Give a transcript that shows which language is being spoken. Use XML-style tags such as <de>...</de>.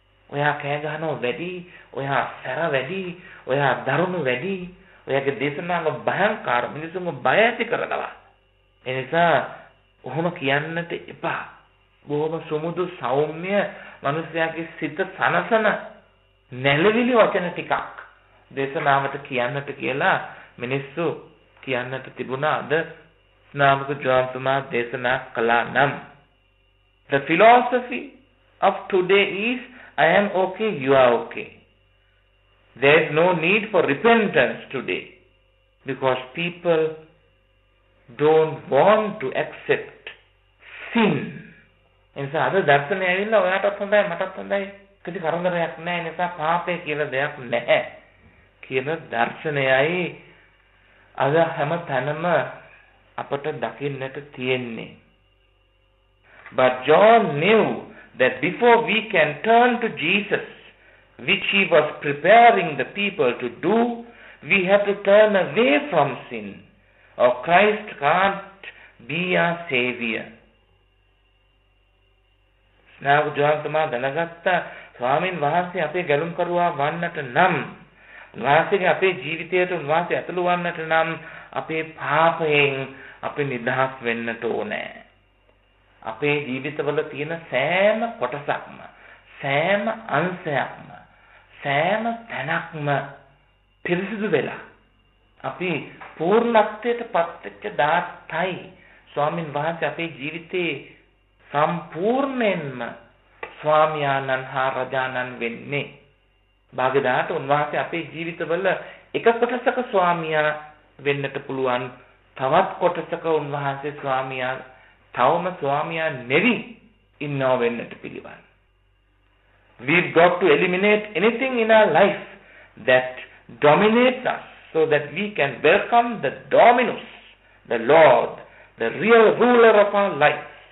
<si>ඔයා කෑ ගහනව වැඩි, ඔයා සැර වැඩි, ඔයා දරුණු වැඩි, ඔයාගේ දේශනාව භයංකාර, මිනිසුන් බය ඇති කරනවා. ඒ නිසා ඔහොම කියන්නට එපා. බොහොම සුමුදු සෞම්‍ය මිනිසයාගේ සිත සනසන නැළවිලි වචන ටිකක් දේශනාවට කියන්නට කියලා මිනිස්සු කියන්නට තිබුණා. අද ස්නාමක ජෝන්තුමා දේශනා කළා නම්</si> <en>The philosophy of today is I am okay, you are okay. There is no need for repentance today because people don't want to accept sin.</en> <si>එනිසා අද දර්ශනය ඇවිල්ලා ඔයාටත් හොඳයි මටත් හොඳයි කිසි කරදරයක් නැහැ නිසා පාපය කියලා දෙයක් නැහැ කියන දර්ශනයයි අද හැම තැනම අපට දකින්නට තියෙන්නේ.</si> <en>But John knew that before we can turn to Jesus, which he was preparing the people to do, we have to turn away from sin, or Christ can't be our Savior.</en> <si>ස්නාග ජෝන්තුමා දැනගත්ත ස්වාමීන් වහන්සේ අපේ ගැලුම් කරුවා වන්නට නම් වහන්සේගේ අපේ ජීවිතයට උන්වහන්සේ ඇතුළු වන්නට නම් අපේ පාපයෙන් අපි නිදහස් වෙන්නට ඕනේ. අපේ ජීවිතවල තියෙන සෑම කොටසක්ම සෑම අංශයක්ම සෑම තැනක්ම පිරිසිදු වෙලා අපි පූර්ණත්වයට පත්වෙච්ච දාතයි ස්වාමින් වහන්සේ අපේ ජීවිතේ සම්පූර්ණයෙන්ම ස්වාමියාණන් හා රජාණන් වෙන්නේ. භාග්‍යදාත උන්වහන්සේ අපේ ජීවිතවල එක කොටසක ස්වාමියා වෙන්නට පුළුවන්, තවත් කොටසක උන්වහන්සේ ස්වාමියා තවම ස්වාමියා නෙවි ඉන්නව වෙන්නට පිළිවන්.</si> <en>We've got to eliminate anything in our life that dominates us so that we can welcome the Dominus, the Lord, the real ruler of our life.</en>